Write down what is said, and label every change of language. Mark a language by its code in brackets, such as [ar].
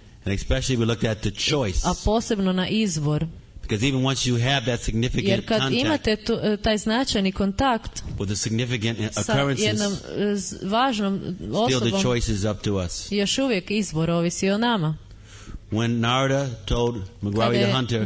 [en] And especially we looked at the choice. [hr] A posebno na izbor. [en] Because even once you have that significant contact. [hr] Jer kad imate taj značajni kontakt [en] with the significant occurrences, [hr] sa jednom važnom osobom, [en] still the choice is up to us. [hr] Još uvijek izbor ovisi o nama. [en] When Narada told Mrigari the hunter,